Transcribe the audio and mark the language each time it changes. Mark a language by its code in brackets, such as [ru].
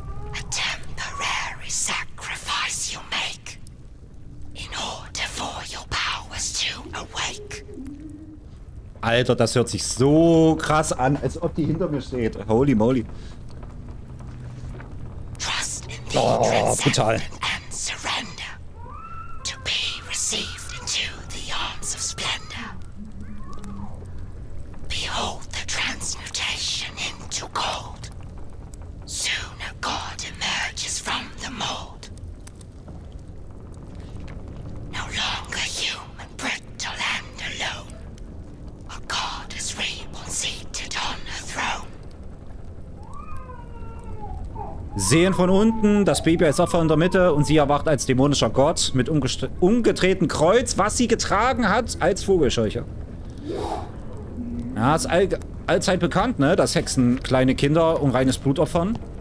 [en] A temporary sacrifice you make in order for your powers to awake. [de] Alter, das hört sich so krass an, als ob die hinter mir steht. [en] Holy moly. [de] Oh, brutal. [en] And surrender to be received into the arms of splendor. Behold the transmutation into gold. Soon a god emerges from the mold. No longer human, brittle and alone. A god is reborn, seated on a throne. [de] Sehen von unten, das Baby als Opfer in der Mitte und sie erwacht als dämonischer Gott mit umgedrehtem Kreuz, was sie getragen hat als Vogelscheuche. Ja, ist allzeit bekannt, ne, dass Hexen kleine Kinder und reines Blut opfern.